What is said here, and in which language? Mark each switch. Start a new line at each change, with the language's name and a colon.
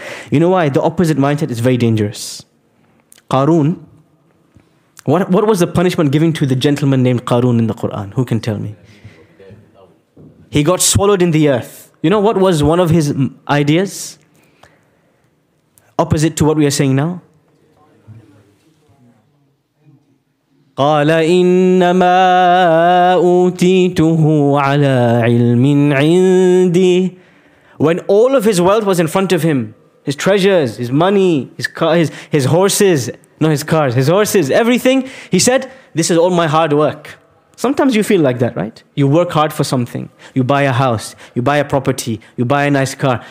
English: You know why? The opposite mindset is very dangerous. Qarun, what was the punishment given to the gentleman named Qarun in the Quran? Who can tell me? He got swallowed in the earth. You know what was one of his ideas? Opposite to what we are saying now.
Arabic: قال إنما أوتيته على علم عندي.
English: When all of his wealth was in front of him, his treasures, his money, his car, his horses, not his cars, his horses, everything, he said, this is all my hard work. Sometimes you feel like that, right? You work hard for something. You buy a house, you buy a property, you buy a nice car.